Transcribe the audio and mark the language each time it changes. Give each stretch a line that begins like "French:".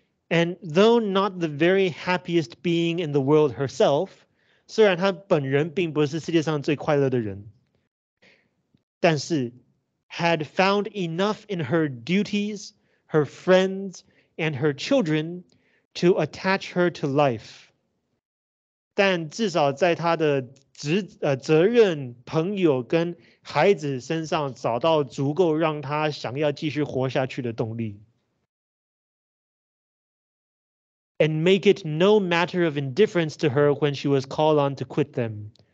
English: And though not the very happiest being in the world herself,
Chinese: 虽然她本人并不是世界上最快乐的人，但是
English: had found enough in her duties, her friends, and her children to attach her to life.
Chinese: 但至少在她的责任、朋友跟孩子身上找到足够让她想要继续活下去的动力。
English: And make it no matter of indifference to her when she was called on to quit them.